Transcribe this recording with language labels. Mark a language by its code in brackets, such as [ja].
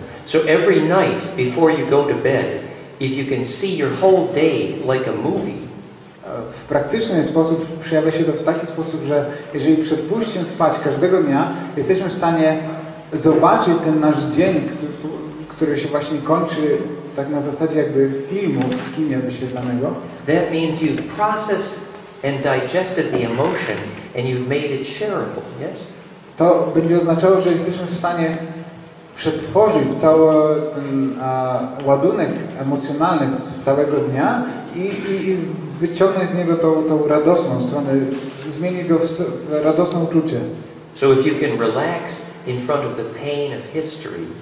[en] So every night before you go to bed, if you can see your whole day like a movie. [pl] W praktyczny sposób przejawia się to w taki sposób, że jeżeli przed pójściem spać każdego dnia, jesteśmy w stanie zobaczyć ten nasz dzień, który się właśnie kończy tak na zasadzie jakby filmu w kinie wyświetlanego. [en] That means you've processed and digested the emotion and you've made it shareable, yes? [pl] To będzie oznaczało, że jesteśmy w stanie przetworzyć cały ten ładunek emocjonalny z całego dnia i wyciągnąć z niego tą radosną stronę, zmienić go w radosne uczucie. [en] So if you can relax in front of the pain of history.